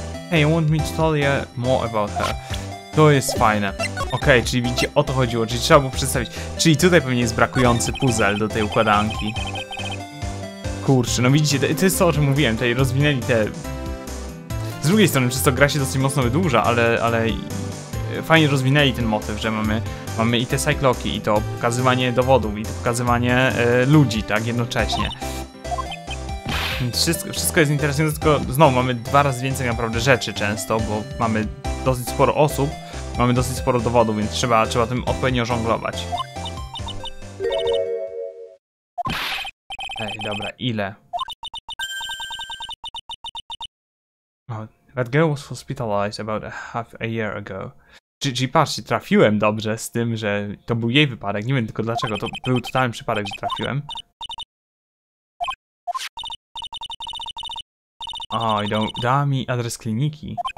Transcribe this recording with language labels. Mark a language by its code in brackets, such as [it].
[en] Hey, you want me to tell you more about her? [pl] To jest fajne. Okej, okay, czyli widzicie, o to chodziło, czyli trzeba było przedstawić. Czyli tutaj pewnie jest brakujący puzzle do tej układanki. Kurczę, no widzicie, to jest to, o czym mówiłem, tutaj rozwinęli te... Z drugiej strony, przez to gra się dosyć mocno wydłuża, ale fajnie rozwinęli ten motyw, że mamy i te cykloki, i to pokazywanie dowodów, i to pokazywanie ludzi, tak, jednocześnie. Wszystko jest interesujące, tylko znowu mamy dwa razy więcej naprawdę rzeczy często, bo mamy dosyć sporo osób, mamy dosyć sporo dowodów, więc trzeba tym odpowiednio żonglować. Ej, dobra, ile? [en] That girl was hospitalized about half a year ago. [pl] Czyli patrzcie, trafiłem dobrze z tym, że to był jej wypadek, nie wiem tylko dlaczego, to był totalny przypadek, że trafiłem. Oj, dała mi adres kliniki.